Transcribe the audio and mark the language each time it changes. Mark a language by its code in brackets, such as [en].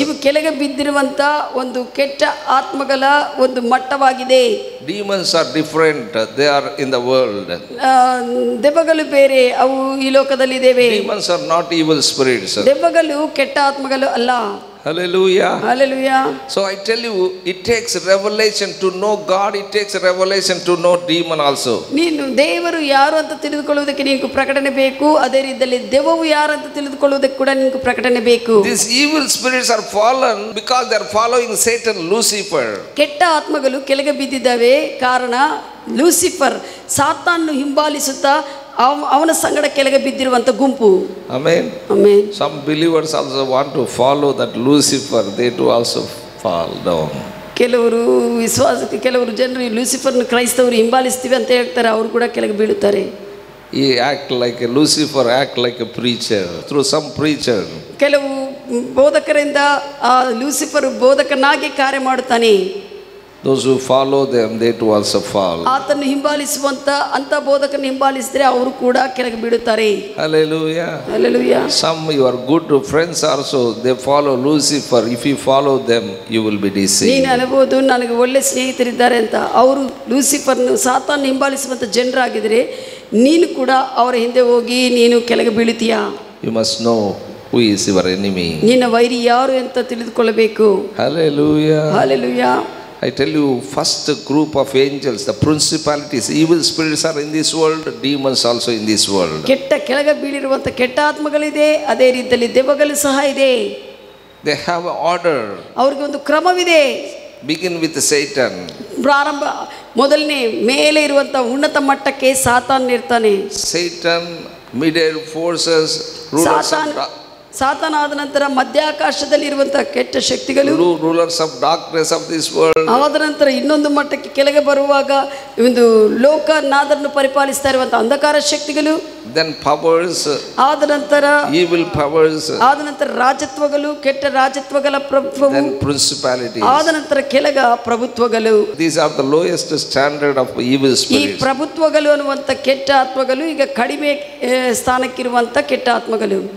[kn] ಇವು ಕೆಳಗೆ ಬಿದ್ದಿರುವಂತ ಒಂದು ಕೆಟ್ಟ ಆತ್ಮಗಳ ಒಂದು ಮಟ್ಟವಾಗಿದೆ. [en] Demons are different. They are in the world. [kn] ದೆವ್ವಗಳು ಬೇರೆ, ಅವು ಈ ಲೋಕದಲ್ಲಿ ಇದ್ದಾವೆ. [en] Demons are not evil spirits. [kn] ದೆವ್ವಗಳು ಕೆಟ್ಟ ಆತ್ಮಗಳು ಅಲ್ಲ. [en] Hallelujah. Hallelujah. So I tell you, it takes revelation to know God. It takes revelation to know demon also. [kn] ನೀನು ದೇವರು ಯಾರು ಅಂತ ತಿಳಿದುಕೊಳ್ಳುವುದಕ್ಕೆ ನಿನಗೆ ಪ್ರಕಟಣೆ ಬೇಕು. ಅದೇ ರೀತಿಯಲ್ಲಿ ದೆವ್ವವು ಯಾರು ಅಂತ ತಿಳಿದುಕೊಳ್ಳುವುದಕ್ಕೆ ಕೂಡ ನಿನಗೆ ಪ್ರಕಟಣೆ ಬೇಕು. [en] These evil spirits are fallen because they are following Satan, Lucifer. [kn] ಕೆಟ್ಟ ಆತ್ಮಗಳು ಕೆಳಗೆ ಬಿದ್ದಿದ್ದಾವೆ ಕಾರಣ ಲೂಸಿಫರ್ ಸಾತಾನನ್ನು ಹಿಂಬಾಲಿಸುತ್ತಾ ಅವನ ಸಂಗಡ ಕೆಳಗೆ ಬಿದ್ದಿರುವಂತ ಗುಂಪು. Amen. Amen. [en] Some believers also want to follow that Lucifer, they to also fall down. [kn] ಕೆಲವರು ವಿಶ್ವಾಸ ಕೆಲವರು ಜನರು ಲೂಸಿಫರ್ ನ ಕ್ರೈಸ್ತವರು ಹಿಂಬಾಲಿಸ್ತೀವಿ ಅಂತ ಹೇಳ್ತಾರೆ, ಅವರು ಕೂಡ ಕೆಳಗೆ ಬೀಳುತ್ತಾರೆ. [en] He act like a Lucifer, act like a preacher, through some preacher. [kn] ಕೆಲವು ಬೋಧಕರಿಂದ ಲೂಸಿಫರ್ ಬೋಧಕನಾಗಿ ಕಾರ್ಯ ಮಾಡುತ್ತಾನೆ. [en] Those who follow them, they too also fall. [kn] ಆತನ ಹಿಂಬಾಲಿಸುವಂತ ಅಂತ ಬೋಧಕನ ಹಿಂಬಾಲಿಸಿದ್ರೆ ಅವರು ಕೂಡ ಕೆಳಗೆ ಬಿಡುತ್ತಾರೆ. [en] Hallelujah. Hallelujah. Some your good friends also, they follow Lucifer. If you follow them, you will be deceived. [kn] ನೀನು ಅನ್ನಬಹುದು ನನಗೆ ಒಳ್ಳೆ ಸ್ನೇಹಿತರಿದ್ದಾರೆ ಅಂತ. ಅವರು ಲೂಸಿಫರ್ ಸಾತಾನ್ ಹಿಂಬಾಲಿಸುವಂತ ಜನರಾಗಿದ್ರೆ ನೀನು ಕೂಡ ಅವರ ಹಿಂದೆ ಹೋಗಿ ನೀನು ಕೆಳಗೆ ಬೀಳುತ್ತೀಯ. [en] You must know who is your enemy. [kn] ನಿನ್ನ ವೈರಿ ಯಾರು ಅಂತ ತಿಳಿದುಕೊಳ್ಳಬೇಕು. [en] Hallelujah. Hallelujah. I tell you, first group of angels, the principalities, evil spirits are in this world, demons also in this world. [kn] ಕೆಟ್ಟ ಕೆಳಗೆ ಬೀಳಿರುವಂತ ಕೆಟ್ಟ ಆತ್ಮಗಳಿದೆ, ಅದೇ ರೀತಿಯಲ್ಲಿ ದೆವ್ವಗಳು ಸಹ ಇದೆ. [en] They have an order. [kn] ಅವರಿಗೆ ಒಂದು ಕ್ರಮವಿದೆ. [en] Begin with Satan. [kn] ಪ್ರಾರಂಭ ಮೊದಲನೇ ಮೇಲೆ ಇರುವಂತ ಉನ್ನತ ಮಟ್ಟಕ್ಕೆ ಸಾತಾನ್ ಇರ್ತಾನೆ. [en] Satan, middle forces, rulers. [kn] ಸಾತನ ಆದ ನಂತರ ಮಧ್ಯಾಕಾಶದಲ್ಲಿ ಇರುವಂತಹ ಕೆಟ್ಟ ಶಕ್ತಿಗಳು, [en] Rulers of darkness of this world. [kn] ಆದ ನಂತರ ಇನ್ನೊಂದು ಮಟ್ಟಕ್ಕೆ ಕೆಳಗೆ ಬರುವಾಗ ಒಂದು ಲೋಕ ನಾದರನ್ನು ಪರಿಪಾಲಿಸ್ತಾ ಇರುವಂತಹ ಅಂಧಕಾರ ಶಕ್ತಿಗಳು. [en] Then powers. [kn] ಆದ ನಂತರ [en] evil powers. [kn] ಆದ ನಂತರ ರಾಜತ್ವಗಳು, ಕೆಟ್ಟ ರಾಜತ್ವಗಳ ಪ್ರಭುತ್ವ. [en] Then principalities. [kn] ಆದ ನಂತರ ಕೆಳಗ ಪ್ರಭುತ್ವಗಳು. [en] These are the lowest standard of evil spirits. [kn] ಈ ಪ್ರಭುತ್ವಗಳು ಅನ್ನುವಂತ ಕೆಟ್ಟ ಆತ್ಮಗಳು ಈಗ ಕಡಿಮೆ ಸ್ಥಾನಕ್ಕೆ ಇರುವಂತ ಕೆಟ್ಟ ಆತ್ಮಗಳು.